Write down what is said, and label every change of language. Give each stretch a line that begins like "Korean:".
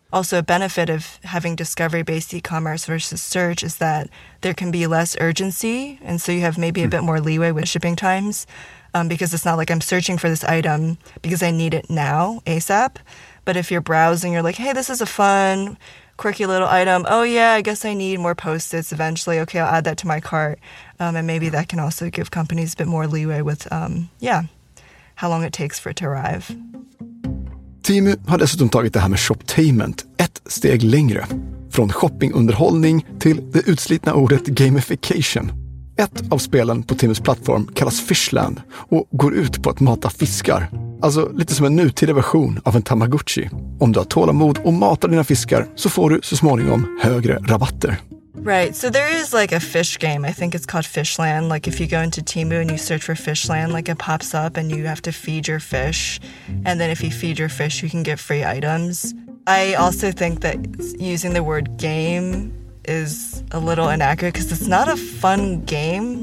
English: Also, a benefit of having discovery-based e-commerce versus search is that there can be less urgency, and so you have maybe a bit more leeway with shipping times, because it's not like I'm searching for this item because I need it now, ASAP. But if you're browsing, you're like, hey, this is a fun, quirky little item. Oh, yeah, I guess I need more Post-its eventually. Okay, I'll add that to my cart. And maybe that can also give companies a bit more leeway with, how long it takes for it to arrive.
Swedish: Temu har dessutom tagit det här med shoptainment ett steg längre. Från shoppingunderhållning till det utslitna ordet gamification. Ett av spelen på Temus plattform kallas Fishland och går ut på att mata fiskar. Alltså lite som en nutida version av en Tamagotchi. Om du har tålamod och matar dina fiskar så får du så småningom högre rabatter.
English: Right, so there is like a fish game. I think it's called Fishland. Like if you go into Temu and you search for Fishland, like it pops up and you have to feed your fish. And then if you feed your fish, you can get free items. I also think that using the word game is a little inaccurate because it's not a fun game.